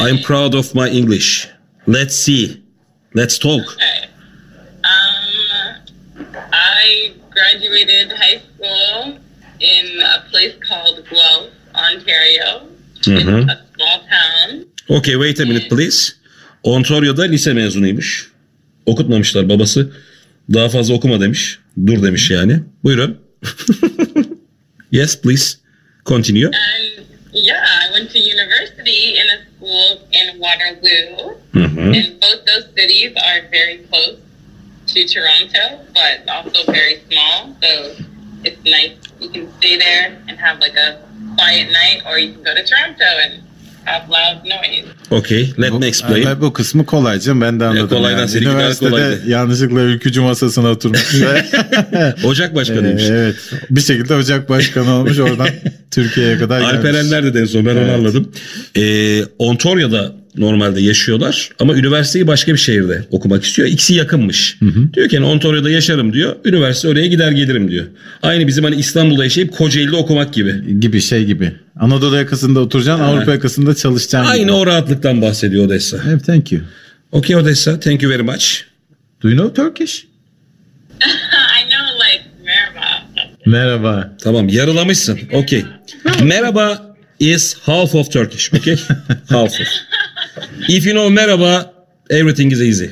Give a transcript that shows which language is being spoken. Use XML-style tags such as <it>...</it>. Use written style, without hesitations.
<en>I'm proud of my English. Let's see. Let's talk. Okay. I graduated high school in a place called Guelph, Ontario. Mm-hmm. It's a small town. Okay, wait a minute, please.</en> <tr>Ontario'da lise mezunuymuş. Okutmamışlar, babası daha fazla okuma demiş, dur demiş yani. Buyurun.</tr> <en>Yes, please continue. And yeah, I went to university in a school in Waterloo. Mm-hmm. And both those cities are very close to Toronto, but also very small. So it's nice, you can stay there and have like a quiet night, or you can go to Toronto and have loud noise. Okay, let me explain.</en> <tr>Bu kısmı kolaycığım, ben de anladım. Kolaydan yani. Üniversitede yanlışlıkla ülkücü masasına oturmuş. Ocak başkanıymış. Evet, bir şekilde ocak başkanı olmuş, oradan Türkiye'ye kadar gelmiş. Alperenler de denizli, ben evet, onu anladım. Ontario'da normalde yaşıyorlar ama üniversiteyi başka bir şehirde okumak istiyor. İkisi yakınmış. Hı hı. Diyor ki hani Ontario'da yaşarım diyor, üniversite oraya gider gelirim diyor. Aynı bizim hani İstanbul'da yaşayıp Kocaeli'de okumak gibi. Gibi şey gibi. Anadolu yakasında oturacaksın, evet. Avrupa yakasında çalışacaksın. Aynı gibi. O rahatlıktan bahsediyor Odessa. Evet,</tr> <en>thank you. Okay Odessa, thank you very much. Do you know Turkish? I know like merhaba.</en> <tr>Merhaba. Tamam, yarılamışsın. Okay.</tr> <en>Merhaba is half of Turkish. Okay? Half of. If you know merhaba, everything is easy.</en>